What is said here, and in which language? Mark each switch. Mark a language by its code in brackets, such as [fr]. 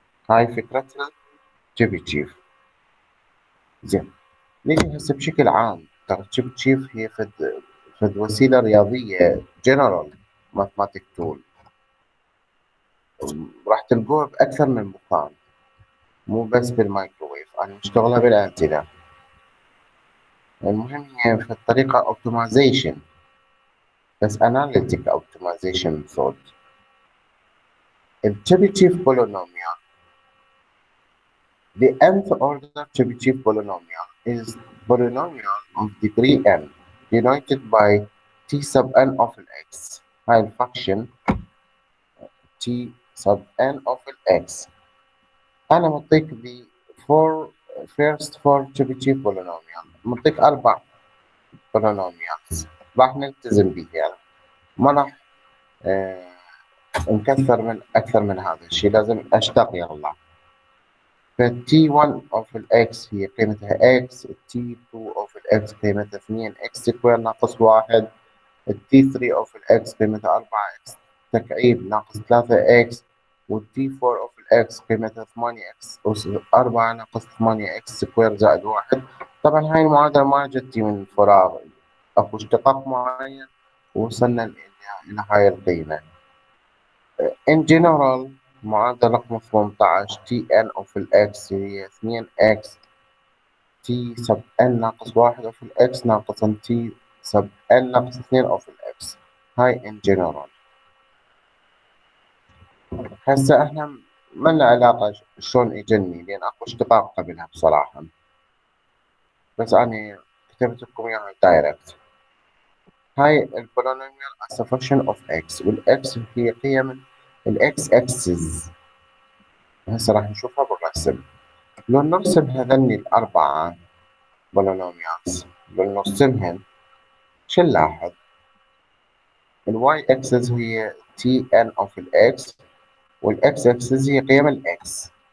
[ar] هاي فكرة تشيبي تشيف. زين، نيجي هسه بشكل عام، ترى تشيبي تشيف هي فد وسيلة رياضية جنرال ماثماتيك تول، راح تلقوها بأكثر من مكان، مو بس بالمايكروويف، أنا مشتغلها بالأنتنة. المهم هي في الطريقة optimization، بس [en] analytic optimization thought. التشيبي تشيف polynomial، the nth order Chebyshev polynomial is polynomial of degree n denoted by t sub n of x. [ar] هاي الفاكشن t sub n of x، أنا مطيك [en] the four first four [ar] تشيبي تشيف polynomial، منطق أربع بولونوميالز راح نلتزم بيها، ما راح نكثر من أكثر من هذا الشيء، لازم أشتق يلا. فـ T1 of X هي قيمتها X، T2 of X قيمتها 2X سكوير ناقص 1، T3 of X قيمتها 4X تكعيب ناقص 3X، و T4 of X قيمتها 8X 4 ناقص 8X سكوير زائد 1. طبعا هاي المعادلة ما جت من فراغ، اكو اشتقاق معين ووصلنا الى هاي القيمة. [en] In general [ar] معادلة رقم 18 تي ان اوف الاكس هي 2 اكس تي سب ان ناقص 1 اوف الاكس ناقص تي سب ان ناقص 2 اوف الاكس. هاي [en] in general. [ar] هسه احنا ما لنا علاقة شلون اجني، لان اكو اشتقاق قبلها بصراحة، بس أنا كتبت لكم إياها دايركت. هاي البولينوميال [en] as a function of x، [ar] والx هي قيم الx axis. هسه راح نشوفها بالرسم. لو نرسم هذن الأربعة بولينوميالز، لو نرسمهن شو نلاحظ؟ الy axis هي tn of x، والx axis هي قيم الx.